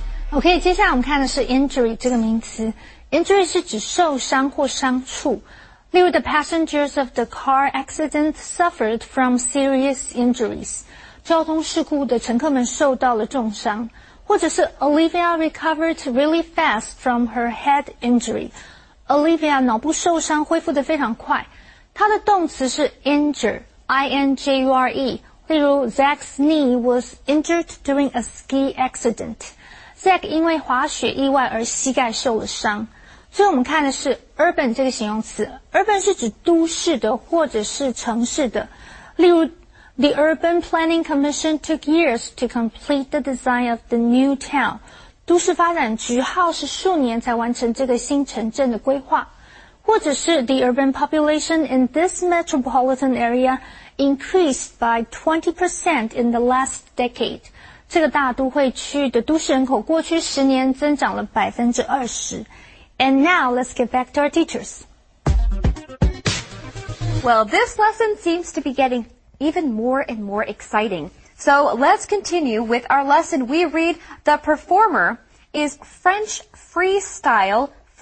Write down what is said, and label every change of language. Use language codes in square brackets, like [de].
[zh] OK， 接下来我们看的是 injury 这个名词。injury 是指受伤或伤处。例如 [en] the passengers of the car accident suffered from serious injuries. [zh] 交通事故的乘客们受到了重伤。或者是 [en] Olivia recovered really fast from her head injury. [zh] Olivia 脑部受伤恢复得非常快。它的动词是 injure, I-N-J-U-R-E. 例如 [en] Zach's knee was injured during a ski accident. [zh] Zach 因为滑雪意外而膝盖受了伤。所以我们看的是 urban 这个形容词。 urban 是指都市的或者是城市的。例如 [en] ,The Urban Planning Commission took years to complete the design of the new town. [zh] 都市发展局耗时数年才完成这个新城镇的规划。或者是 [en] ,The urban population in this metropolitan area increased by 20% in the last decade. [zh] 这个大都会区的都市人口过去十年增长了 20%. [en] And now, let's get back to our teachers. Well, this lesson seems to be getting even more and more exciting. So let's continue with our lesson. We read, the performer is French freestyle football.